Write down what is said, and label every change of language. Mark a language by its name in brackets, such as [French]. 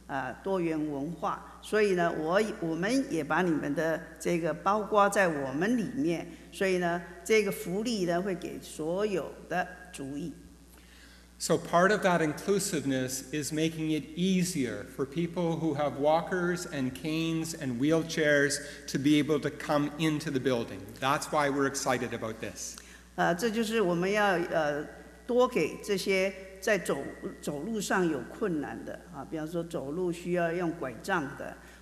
[Chinese] 所以我们呢，这个教会呢，的本意啊，我们的宗旨就是要包容所有的族裔啊，多元文化。所以呢，我们也把你们的这个包括在我们里面，所以呢，这个福利呢会给所有的族裔。So [English] part of that inclusiveness is making it easier for people who have walkers and canes and wheelchairs to be able to come into the building. That's why we're excited about this. [Chinese] 这就是我们要多给这些在走路上有困难的啊，比方说走路需要用拐杖的。